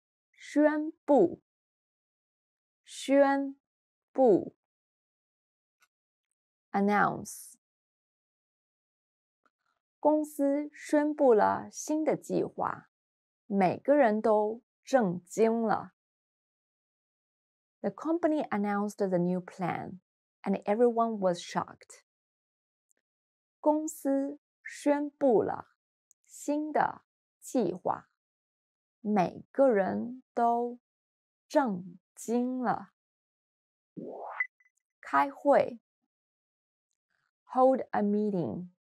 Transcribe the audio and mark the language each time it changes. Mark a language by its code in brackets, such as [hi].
[zh] 宣布，宣布 [en] ，announce。 [zh] 公司宣布了新的计划，每个人都震惊了。 [en] The company announced the new plan, and everyone was shocked. [zh] 公司宣布了新的计划，每个人都震惊了。开会 [en] ，hold a meeting.